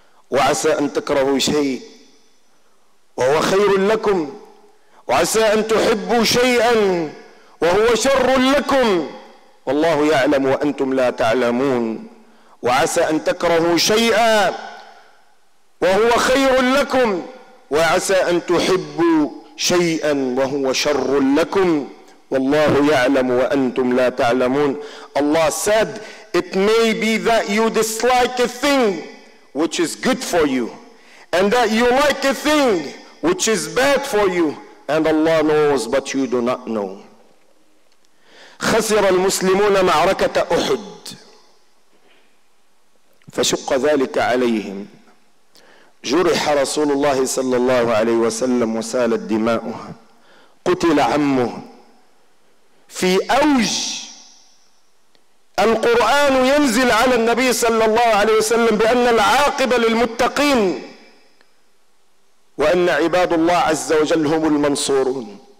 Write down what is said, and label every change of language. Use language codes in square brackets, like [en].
[ar] وعسى أن تكرهوا شيء وهو خير لكم، وعسى أن تحبوا شيئا وهو شر لكم، والله يعلم وأنتم لا تعلمون. وعسى أن تكرهوا شيئا وهو خير لكم، وعسى أن تحبوا شيئا وهو شر لكم، والله يعلم وأنتم لا تعلمون. [en] Allah said, it may be that you dislike a thing which is good for you, and that you like a thing which is bad for you, and Allah knows but you do not know. [ar] خسر المسلمون معركة أحد فشق ذلك عليهم، جرح رسول الله صلى الله عليه وسلم وسالت دماؤه، قتل عمه في أوج القرآن ينزل على النبي صلى الله عليه وسلم بأن العاقبة للمتقين، وأن عباد الله عز وجل هم المنصورون.